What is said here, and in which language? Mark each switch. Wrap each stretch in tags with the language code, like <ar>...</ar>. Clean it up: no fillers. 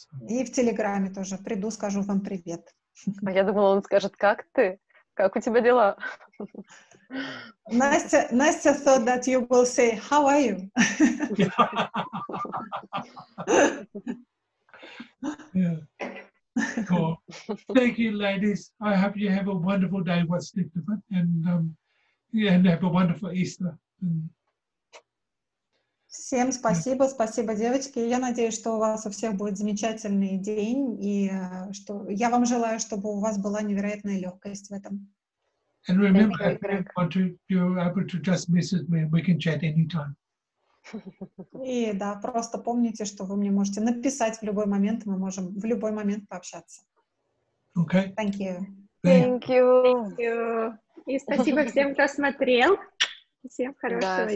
<ru>И в Телеграме тоже приду, скажу вам привет. А я думала, он скажет, как ты? Как у тебя дела?</ru> <en>Настя thought that you will say, how are you? Cool. Thank you, ladies. I hope you have a wonderful day, what's left of it, and have a wonderful Easter.</en> <ru>Всем спасибо, спасибо, девочки. Я надеюсь, что у вас у всех будет замечательный день, и что я вам желаю, чтобы у вас была невероятная легкость в этом.</ru> <en>And remember, if you want to, you're able to just message me, we can chat anytime.</en> <ru>И да, просто помните, что вы мне можете написать в любой момент, мы можем в любой момент пообщаться.</ru> <en>Okay. Thank you. Thank you. Thank you.</en> <ru>И спасибо всем, кто смотрел. Всем хорошего дня.</ru>